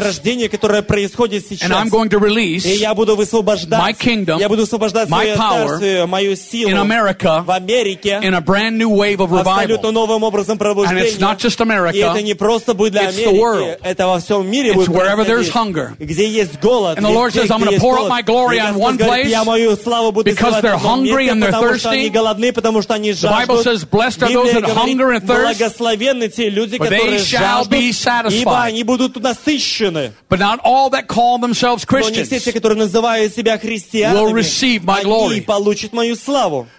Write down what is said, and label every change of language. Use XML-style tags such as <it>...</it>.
<ru>рождение, которое происходит сейчас,</ru> <en>and I'm going to release</en> <ru>и я буду высвобождать</ru> <en>my kingdom,</en> <ru>я буду высвобождать</ru> <en>my power,</en> <ru>мою силу</ru> <en>in America,</en> <ru>в Америке,</ru> <en>in a brand new wave of revival.</en> <ru>Абсолютно новым образом пробуждения.</ru> <en>And it's not just America,</en> <ru>и это не просто будет для</ru> <en>it's</en> <ru>Америки,</ru> <en>the world.</en> <ru>Это во всем мире</ru> <en>it's</en> <ru>будет</ru> <en>wherever there's hunger.</en> <ru>Где есть голод.</ru> <en>And the Lord says, I'm going to pour out my glory on one place,</en> <ru>я мою славу буду</ru> <en>because they're hungry and they're thirsty.</en> <ru>Потому что они голодны, потому что они жаждут.</ru> <en>Blessed are those that hunger and thirst.</en> <ru>Благословенны те люди, люди, которые жаждут, ибо они будут насыщены.</ru> <en>But not all that call themselves Christians.</en> <ru>Но не все те, которые называют себя христианами,</ru> <en>will receive my glory.</en> <ru>Они получат мою славу.</ru>